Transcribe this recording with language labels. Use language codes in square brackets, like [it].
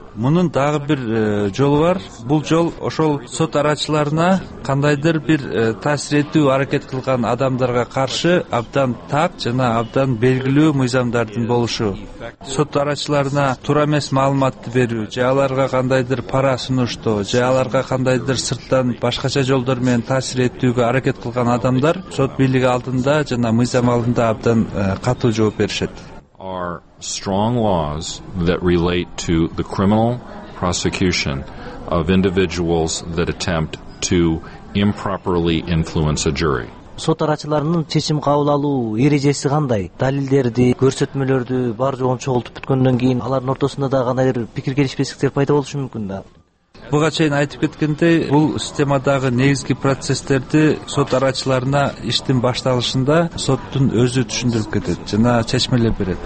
[ky] Мунун дагы бир жолу бар. Бул жол ошол сот арачыларына кандайдыр бир таасир этүү аракет кылган адамдарга каршы абдан так жана абдан белгилүү мыйзамдардын болушу. Сот арачыларына туура эмес маалыматты берүү же аларга кандайдыр пара сунуштоо же аларга кандайдыр сырттан башкача жолдор менен таасир этүүгө аракет кылган адамдар сот бийлиги алдында жана мыйзам алдында абдан катуу жооп беришет. [en] Are strong laws that relate to the criminal prosecution of individuals that attempt to improperly influence a jury. [ky] Сот арачыларынын чечим кабыл алуу эрежеси кандай? Далилдерди, көрсөтмөлөрдү бар жогун чогултуп бүткөндөн кийин алардын ортосунда да кандайдыр пикир келишпестиктер пайда болушу мүмкүн да? Буга чейин айтып кеткендей, бул системадагы негизги процесстерди сот арачыларына иштин башталышында соттун өзү түшүндүрүп кетет жана чечмелеп берет.